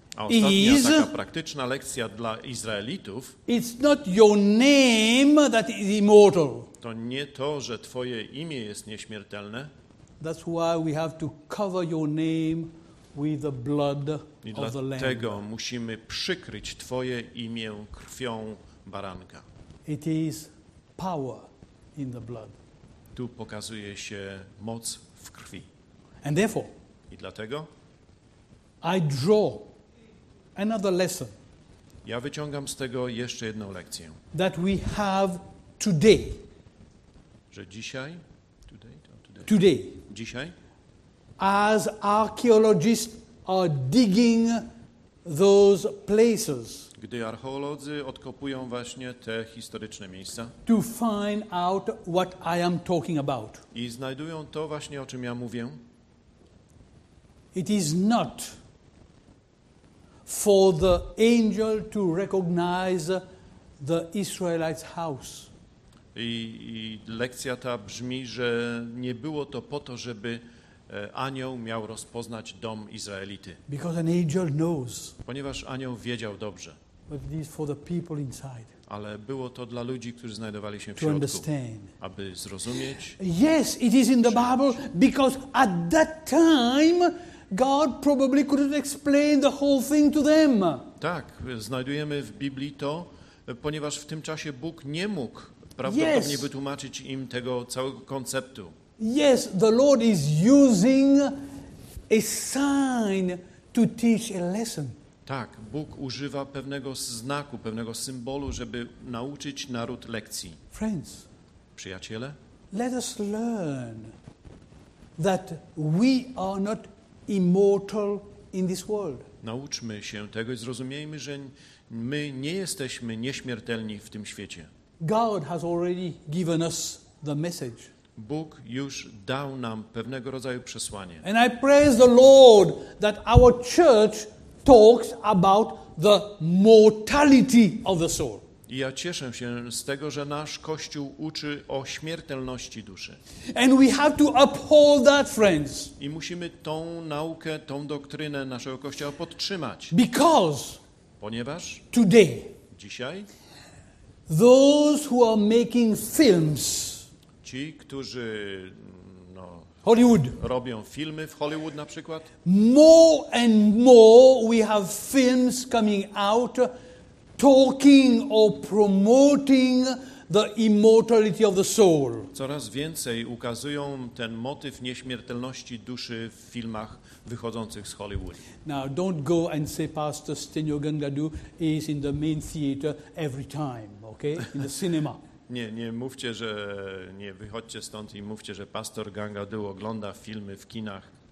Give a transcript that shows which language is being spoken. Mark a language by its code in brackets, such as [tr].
[pl] is taka praktyczna lekcja dla Izraelitów. [en] It's not your name that is immortal. [pl] To nie to, że twoje imię jest nieśmiertelne. [en] That's why we have to cover your name with the blood of the lamb. [pl] I dlatego musimy przykryć twoje imię krwią baranka. [en] It is power in the blood. [pl] Tu pokazuje się moc w krwi. [en] And therefore, [pl] i dlatego [en] I draw another lesson. [pl] Ja wyciągam z tego jeszcze jedną lekcję. [en] That we have today. [pl] Że dzisiaj, [en] today. Today. [pl] Dzisiaj. [en] As archaeologists are digging those places. [pl] Gdy archeolodzy odkopują właśnie te historyczne miejsca. [en] To find out what I am talking about. [pl] I znajdują to właśnie, o czym ja mówię. [en] It is not for the angel to recognize the Israelites' house. [pl] I lekcja ta brzmi, że nie było to po to, żeby anioł miał rozpoznać dom Izraelity. [en] Because an angel knows. [pl] Ponieważ anioł wiedział dobrze. [en] But it is for the people inside. [pl] Ale było to dla ludzi, którzy znajdowali się w środku, [en] to understand. [pl] Aby zrozumieć. [en] Yes, it is in the Bible because at that time God probably couldn't explain the whole thing to them. [pl] Tak, znajdujemy w Biblii to, ponieważ w tym czasie Bóg nie mógł prawdopodobnie wytłumaczyć im tego całego konceptu. [en] Yes, the Lord is using a sign to teach a lesson. [pl] Tak, Bóg używa pewnego znaku, pewnego symbolu, żeby nauczyć naród lekcji. [en] Friends, [pl] przyjaciele, [en] let us learn that we are not immortal in this world. [pl] Nauczmy się tego i zrozumiejmy, że my nie jesteśmy nieśmiertelni w tym świecie. [en] God has already given us the message. [pl] Bóg już dał nam pewnego rodzaju przesłanie. [en] And I praise the Lord that our church talks about the mortality of the soul. [pl] I ja cieszę się z tego, że nasz Kościół uczy o śmiertelności duszy. [en] And we have to uphold that, friends. [pl] I musimy tą naukę, tą doktrynę naszego Kościoła podtrzymać. [en] Because [pl] ponieważ [en] today, [pl] dzisiaj [en] those who are making films, [pl] ci, którzy [en] Hollywood, [pl] robią filmy w Hollywood na przykład, [en] more and more we have films coming out talking or promoting the immortality of the soul. [pl] Coraz więcej ukazują ten motyw nieśmiertelności duszy w filmach wychodzących z Hollywood. [en] Now don't go and say Pastor Stenio Gangadu is in the main theater every time, okay? In the cinema. [pl] Nie mówcie, że nie wychodźcie stąd i mówcie, że Pastor Gangadu ogląda filmy w kinach.